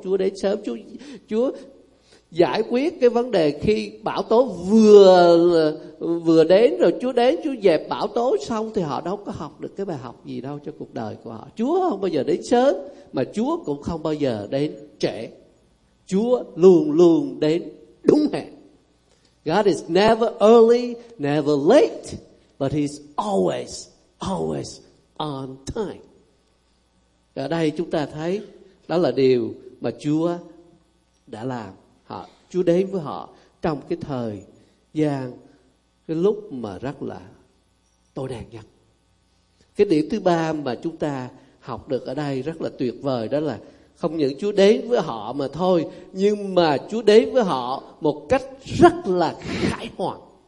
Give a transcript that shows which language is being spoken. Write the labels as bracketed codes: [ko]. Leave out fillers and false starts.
[vi] Chúa đến sớm, Chúa giải quyết cái vấn đề khi bão tố vừa đến rồi. Chúa đến, Chúa dẹp bão tố xong thì họ đâu có học được cái bài học gì đâu cho cuộc đời của họ. Chúa không bao giờ đến sớm, mà Chúa cũng không bao giờ đến trễ. Chúa luôn luôn đến đúng hẹn. [en] God is never early, never late, but he's always, always on time. [vi] Ở đây chúng ta thấy đó là điều mà Chúa đã làm. Chúa đến với họ trong cái thời gian, cái lúc mà rất là tối đen nhất. Cái điểm thứ ba mà chúng ta học được ở đây rất là tuyệt vời, đó là không những Chúa đến với họ mà thôi, nhưng mà Chúa đến với họ một cách rất là khải hoàn.